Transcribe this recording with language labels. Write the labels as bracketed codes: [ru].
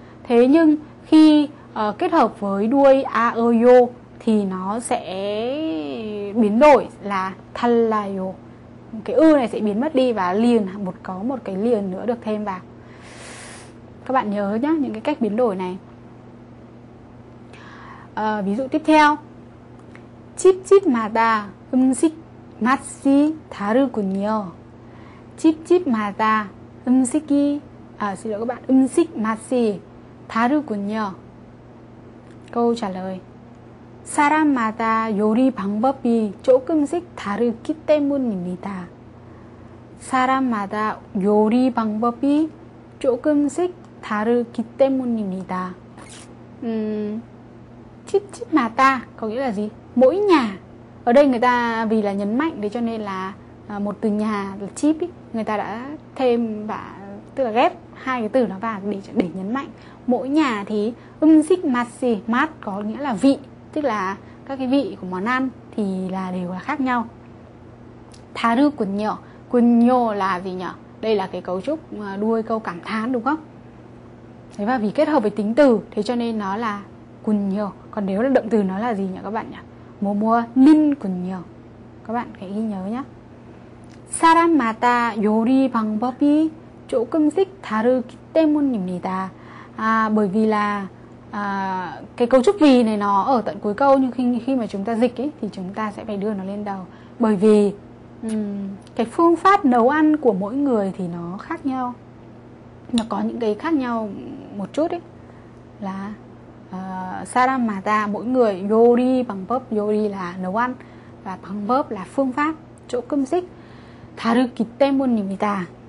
[vi] Thế nhưng khi kết hợp với đuôi a ơ yo thì nó sẽ biến đổi là 달라요. Cái ư này sẽ biến mất đi và liền một có một cái liền nữa được thêm vào. Các bạn nhớ nhá những cái cách biến đổi này. Ví dụ tiếp theo. [ko] 집집마다 음식 맛이 다르군요. 집집마다 음식이 아, [vi] xin lỗi các bạn, [ko] 음식 맛이 다르군요. [vi] Câu trả lời. [ko] 사람마다 요리 방법이 조금씩 다르기 때문입니다. 사람마다 요리 방법이 조금씩 다르기 때문입니다. [vi] 집집마다 có nghĩa là gì? Mỗi nhà. Ở đây người ta vì là nhấn mạnh đấy cho nên là một từ nhà là chip ý, người ta đã thêm và tức là ghép hai cái từ nó vào để nhấn mạnh. Mỗi nhà thì umsik masi, mat có nghĩa là vị, tức là các cái vị của món ăn thì là đều là khác nhau. Taru kunyo, kunyo là gì nhỉ? Đây là cái cấu trúc đuôi câu cảm thán đúng không? Thế và vì kết hợp với tính từ thế cho nên nó là kunyo. Còn nếu là động từ nó là gì nhỉ các bạn nhỉ? Mô mô nin kunyo. Các bạn hãy ghi nhớ nhé. [ko] 사람마다 요리 방법이 조금씩 다르기 때문입니다. [vi] À, bởi vì là cái cấu trúc vì này nó ở tận cuối câu, nhưng khi mà chúng ta dịch ấy thì chúng ta sẽ phải đưa nó lên đầu. Bởi vì cái phương pháp nấu ăn của mỗi người thì nó khác nhau. Nó có những cái khác nhau một chút ấy. Là 사람마다 mỗi người, 요리 방법, 요리 là nấu ăn và 방법 là phương pháp, [ko] 조금씩 다르기 때문입니다.